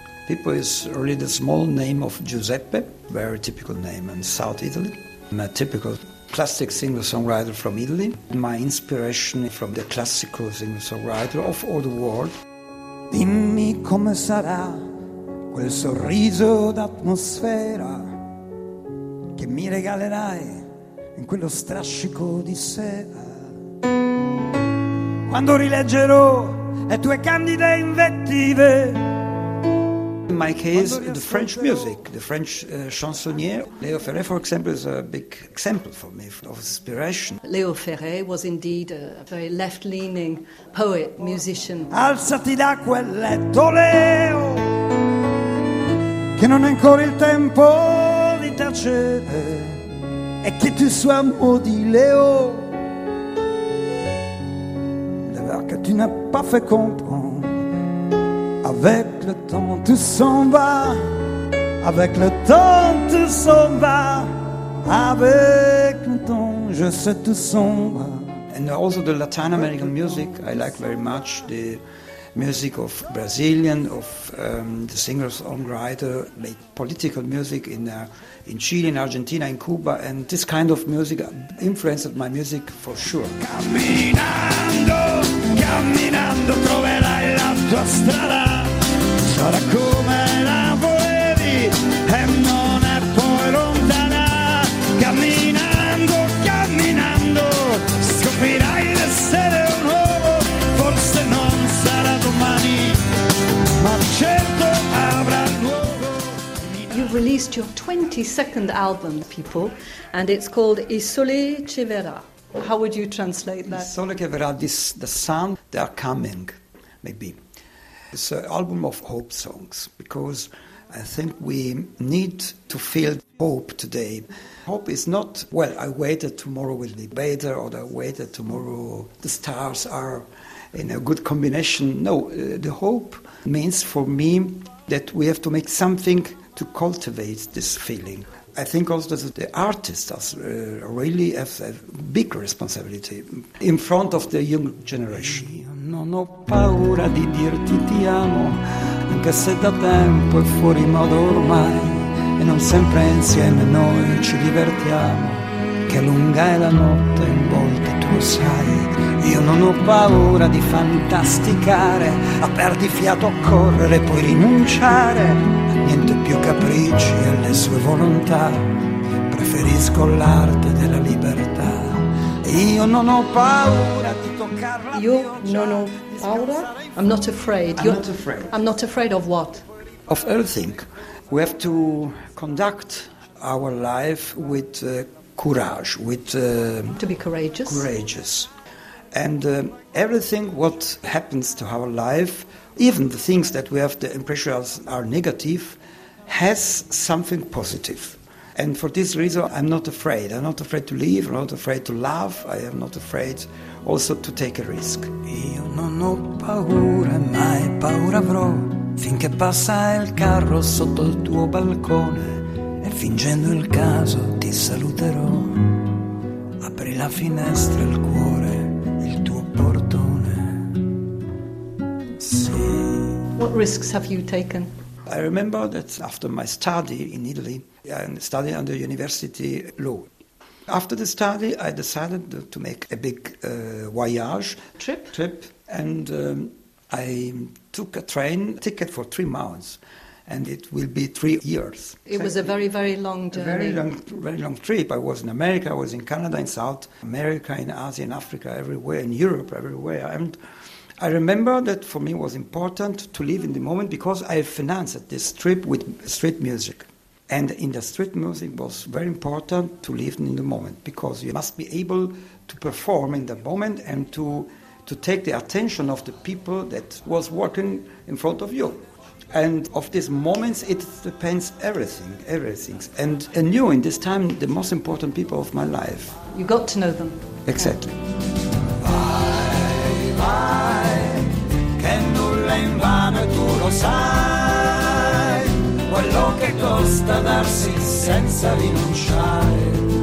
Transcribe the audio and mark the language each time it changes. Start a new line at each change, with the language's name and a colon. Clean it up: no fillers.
English: Pippo is really the small name of Giuseppe, very typical name in South Italy. I'm a typical classic singer-songwriter from Italy. My inspiration from the classical singer-songwriter of all the world.
Italian: Dimmi come sarà quel sorriso d'atmosfera che mi regalerai in quello strascico di sera. Quando rileggerò le tue candide invettive.
English: In my case, the French music, the French chansonnier. Léo Ferré, for example, is a big example for me of inspiration. Léo Ferré was indeed a very left-leaning poet, musician.
Italian: Alzati da quel letto, Léo, che non è ancora il tempo di tacere, e che
French: tu sois maudit,
Italian: Léo.
French: Que tu n'as pas fait comprendre. Avec le temps tout s'en va. Avec le temps tout s'en va. Avec le temps je sais tout s'en va.
English: And also the Latin American music, I like very much the music of Brazilian, of the singer-songwriter, made political music in Chile, in Argentina, in Cuba, and this kind of music influenced my music for sure.
Italian: Camminando, camminando troverai la tua strada, sarà come la volevi e non è poi lontana. Camminando, camminando scoprirai l'essere un uomo, forse non sarà domani, ma certo avrà luogo.
English: You've released your 22nd album, Pippo, and it's called Il Sole Ci Verrà. How would you translate that?
Italian: Sole che verrà,
English: the sun, they are coming, maybe. It's an album of hope songs, because I think we need to feel hope today. Hope is not, well, I wait that tomorrow will be better, or I wait that tomorrow the stars are in a good combination. No, the hope means for me that we have to make something to cultivate this feeling. I think also that the artists really have a big responsibility in front of the young generation.
Italian: Io non ho paura di dirti ti amo, anche se da tempo è fuori modo ormai, e non sempre insieme noi ci divertiamo, che lunga è la notte in volte tu sai. Io non ho paura di fantasticare, a perdi fiato a correre poi rinunciare. Niente più capricci e le sue volontà, preferisco l'arte della libertà. Io non ho paura di toccare la Io non ho paura?
English: I'm not afraid. I'm not afraid of what? Of everything. We have to conduct our life with courage, with... To be courageous. Courageous. And everything what happens to our life, even the things that we have the impression are negative, has something positive. And for this reason, I'm not afraid. I'm not afraid to leave, I'm not afraid to love, I am not afraid also to take a risk.
Italian: Io non ho paura, mai paura avrò, finché passa il carro sotto il tuo balcone, e fingendo il caso ti saluterò. Apri la finestra, il cuore, il tuo portone. Sì.
English: What risks have you taken? I remember that after my study in Italy, I studied under university law. After the study, I decided to make a big voyage. Trip. And I took a train ticket for 3 months, and it will be 3 years. It was a very, very long journey. A very long trip. I was in America, I was in Canada, in South America, in Asia, in Africa, everywhere, in Europe, everywhere. And I remember that for me it was important to live in the moment, because I financed this trip with street music. And in the street music was very important to live in the moment, because you must be able to perform in the moment and to take the attention of the people that was working in front of you. And of these moments it depends everything. And you, in this time, the most important people of my life. You got to know them. Exactly.
Italian: Che nulla è invano, tu lo sai, quello che costa darsi senza rinunciare.